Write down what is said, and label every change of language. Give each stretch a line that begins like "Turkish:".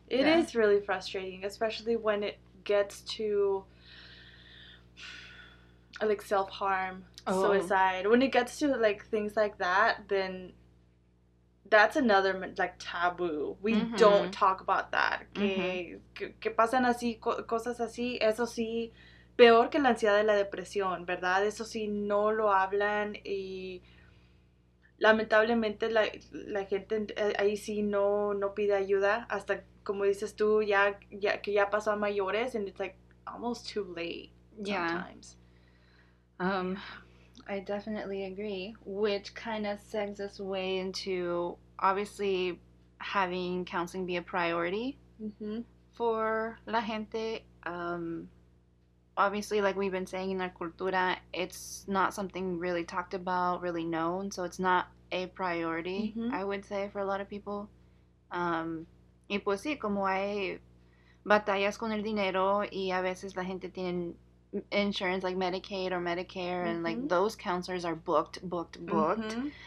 English: It is really frustrating, especially when it gets to, like, self-harm, suicide. When it gets to, like, things like that, then that's another, like, taboo. We mm-hmm. don't talk about that.
Spanish: Que pasan así, cosas así, eso sí, peor que la ansiedad y la depresión, ¿verdad? Eso sí, no lo hablan y lamentablemente la gente ahí sí no pide ayuda hasta, como dices tú, ya que ya pasó a mayores,
English: and it's, like, almost too late sometimes. Yeah. I definitely agree, which kind of segs us way into, obviously, having counseling be a priority mm-hmm.
Spanish: for la gente.
English: Obviously, like we've been saying, in our cultura, it's not something really talked about, really known, so it's not a priority, mm-hmm. I would say, for a lot of people.
Spanish: Y pues sí, como hay batallas con el dinero, y a veces la gente tiene
English: insurance like Medicaid or Medicare
Spanish: mm-hmm.
English: and like those counselors are booked mm-hmm.